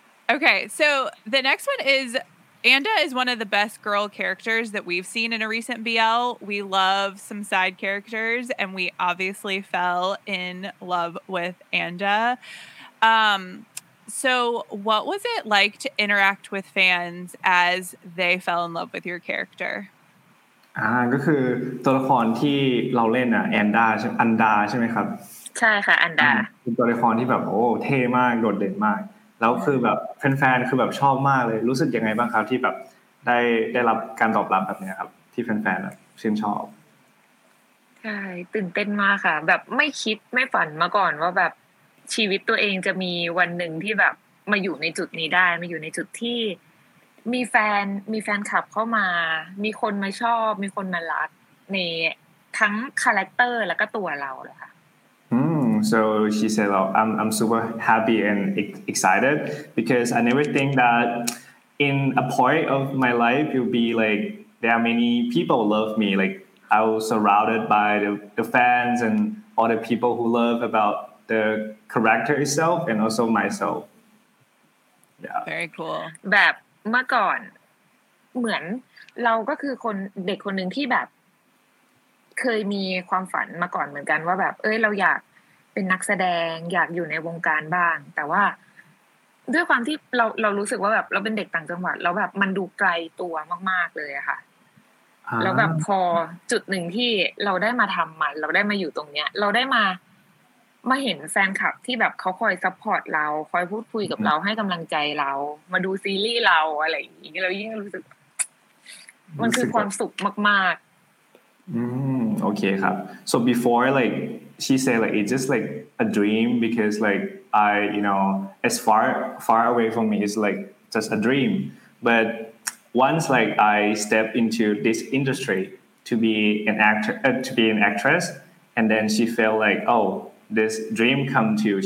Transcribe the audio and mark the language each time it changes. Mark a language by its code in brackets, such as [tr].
[en] Okay, so the next one is Anda is one of the best girl characters that we've seen in a recent BL. We love some side characters and we obviously fell in love with Anda. So what was it like to interact with fans as they fell in love with your character? [th] ก็คือตัวละครที่เราเล่นอ่ะอันดาใช่ไหมครับ ใช่ค่ะอันดา เป็นตัวละครที่แบบโอ้เท่มากโดดเด่นมากแล้วคือแบบแฟนๆคือแบบชอบมากเลยรู้สึกยังไงบ้างครับที่แบบได้รับการตอบรับแบบนี้ครับที่แฟนๆชื่นชอบ ใช่ตื่นเต้นมากค่ะแบบไม่คิดไม่ฝันมาก่อนว่าแบบชีวิตตัวเองจะมีวันหนึ่งที่แบบมาอยู่ในจุดนี้ได้มาอยู่ในจุดที่มีแฟนคลับเข้ามามีคนมาชอบมีคนมารักในทั้งคาแรคเตอร์แล้วก็ตัวเราเลยค่ะ [en] So she said, oh, I'm super happy and excited because I never think that in a point of my life, it will be like there are many people love me. Like I was surrounded by the fans and all the people who love about the character itself and also myself. Yeah. Very cool. [th] แบบเมื่อก่อนเหมือนเราก็คือคนเด็กคนหนึ่งที่แบบเคยมีความฝันมาก่อนเหมือนกันว่าแบบเอ้ยเราอยากเป็นนักแสดงอยากอยู่ในวงการบ้างแต่ว่า ด้วยความที่เรารู้สึกว่าแบบเราเป็นเด็กต่างจังหวัดแล้วแบบมันดูไกลตัวมากๆเลยอะค่ะแล้วแบบพอจุดหนึ่งที่เราได้มาทำมันเราได้มาอยู่ตรงเนี้ยเราได้มาเห็นแฟนคลับที่แบบเขาคอยซัพพอร์ตเราคอยพูดคุยกับเราให้กำลังใจเรามาดูซีรีส์เราอะไรอย่างเงี้ยเรายิ่งรู้สึกมันคือความสุขมาก ๆอืมโอเคครับ [en] so before like she said like it's just like a dream because like I you know as far away from me is like just a dream butOnce like I step into this industry to be an actor, to be an actress, and then she felt like, oh, this dream come true.